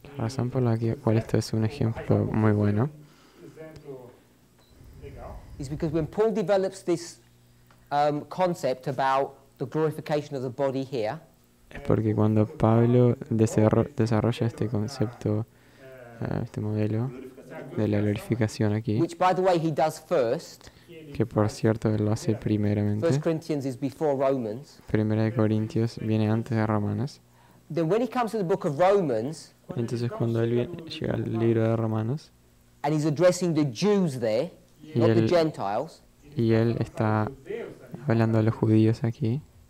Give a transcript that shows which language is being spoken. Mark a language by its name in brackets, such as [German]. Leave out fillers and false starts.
[Spanish] La razón por la cual esto es un ejemplo muy bueno. [English] Is because when Paul develops this concept about the glorification of the body here. [Spanish] Es porque cuando Pablo desarrolla este concepto, este modelo. La de la glorificación aquí, [English] which, by the way, he does first, [Spanish] que por cierto él lo hace primeramente. [English] First Corinthians is before Romans. [Spanish] Primera de Corintios viene antes de Romanos. [English] Then when he comes to the book of Romans, [Spanish] entonces cuando él llega al libro de Romanos, [English] and he's addressing the Jews there, not the Gentiles. [Spanish] Y él está hablando a los judíos aquí.